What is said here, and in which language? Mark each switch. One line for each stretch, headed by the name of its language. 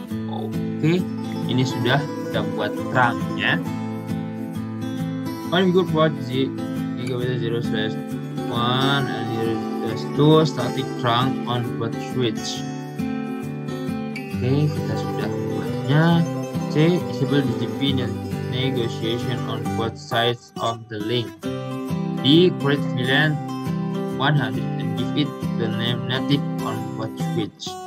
Indonesian: Oke, ini sudah kita buat trunknya.
English: Configure port gigabit 0/1 and 0/2 static trunk on both switch.
Indonesian: Oke, kita sudah membuatnya.
English: C, disable DHCP negotiation on both sides of the link. D, create VLAN 100 and give it the name native on both switch.